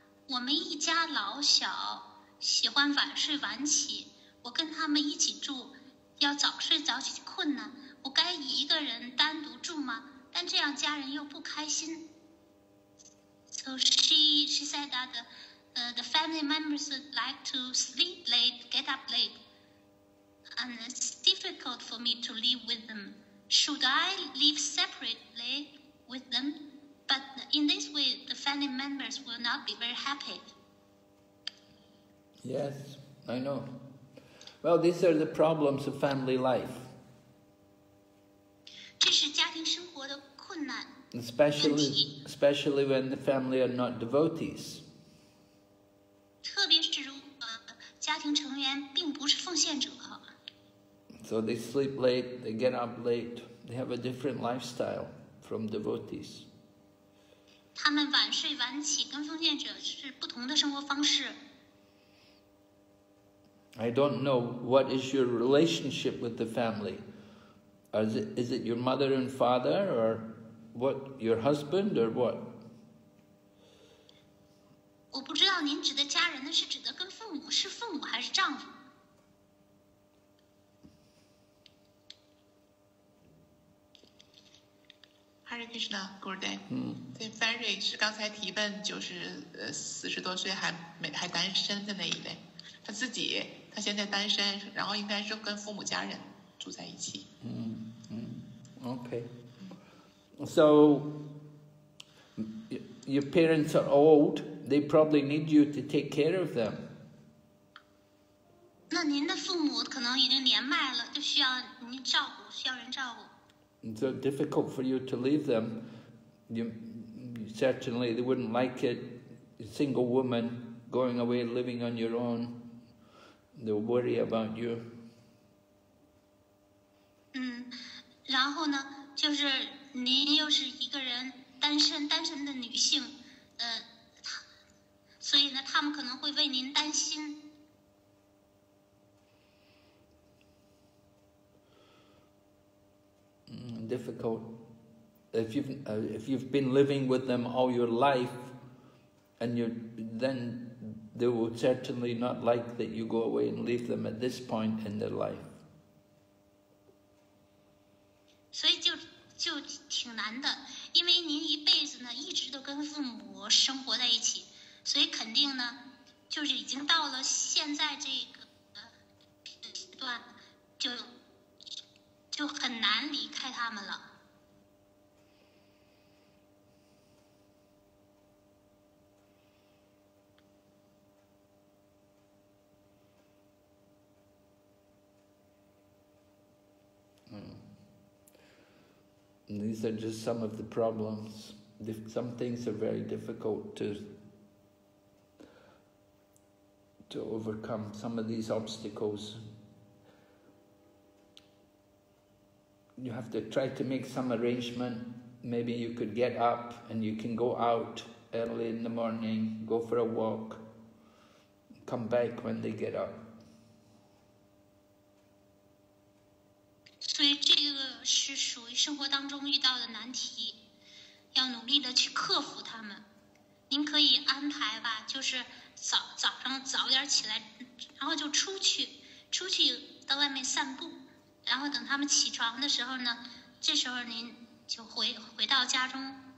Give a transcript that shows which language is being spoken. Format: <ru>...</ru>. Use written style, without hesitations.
<zh>我们一家老小喜欢晚睡晚起，我跟他们一起住。要早睡早起困难，我该一个人单独住吗？但这样家人又不开心。</zh> <en>So she said that the family members like to sleep late, get up late, and it's difficult for me to live with them. Should I live separately with them? But in this way, the family members will not be very happy. Yes, I know. Well, these are the problems of family life.</en> <zh>这是家庭生活的困难。</zh> <en>Especially when the family are not devotees.</en> <zh>特别是如果家庭成员并不是奉献者。</zh> <en>So they sleep late, they get up late, they have a different lifestyle from devotees.</en> <zh>他们晚睡晚起跟奉献者是不同的生活方式。</zh> <en>I don't know what is your relationship with the family. Is it your mother and father, or what, your husband, or what?</en> <zh>我不知道您指的家人呢，是指的跟父母，是父母还是丈夫？</zh> <en>Hare Krishna, Gurudev.</en> <zh>对 ，Ferry 是刚才提问，就是40多岁还单身的那一位，他自己。他现在单身，然后应该是跟父母家人住在一起。</zh> <en>Okay. So, your parents are old. They probably need you to take care of them.</en> <zh>那您的父母可能已经年迈了，就需要您照顾，需要人照顾。</zh> <en>So difficult for you to leave them. You certainly they wouldn't like it. A single woman going away, living on your own. They'll worry about you.</en> <zh>然后呢，就是您又是一个人单身的女性，所以呢，他们可能会为您担心。</zh> <en>Difficult. If you've been living with them all your life, and you then. They would certainly not like that you go away and leave them at this point in their life.</en> <zh>So, 就挺难的，因为您一辈子呢一直都跟父母生活在一起，所以肯定呢，就是已经到了现在这个阶段，就很难离开他们了。</zh> <en>These are just some of the problems. Some things are very difficult to overcome. Some of these obstacles. You have to try to make some arrangement. Maybe you could get up and you can go out early in the morning, go for a walk, come back when they get up.</en> <zh>所以这个是属于生活当中遇到的难题，要努力的去克服他们。您可以安排吧，就是早上早点起来，然后就出去到外面散步，然后等他们起床的时候呢，这时候您就回到家中。</zh>